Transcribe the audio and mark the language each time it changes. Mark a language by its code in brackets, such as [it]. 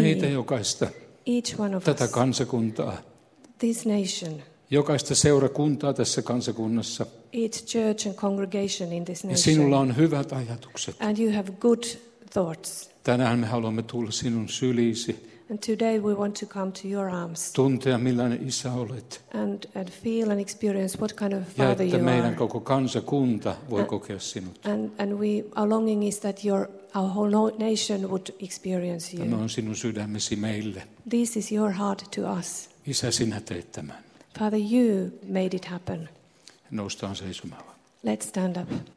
[fi] Meitä jokaista. [en] Each one of [fi] tätä [en] us. [fi] Kansakuntaa. [en] This nation. [fi] Jokaista seurakuntaa tässä kansakunnassa. [en] Each church and congregation in this nation. [fi] Ja sinulla on hyvät ajatukset. [en] And you have good thoughts. [fi] Tänään me haluamme tulla sinun syliisi. [en] And today we want to come to your arms. [fi] Tuntea, millainen isä olet. [en] And feel and experience what kind of father [fi] ja, että [en] you are. [fi] Meidän koko kansakunta voi kokea sinut. [en] And we our longing is that our whole nation would experience you. [fi] Tämä on sinun sydämesi meille. [en] This is your heart to us. [fi] Isä, sinä teit tämän. [en] Father, you made it happen. [fi] Noustaan seisomaan. [en] Let's stand up.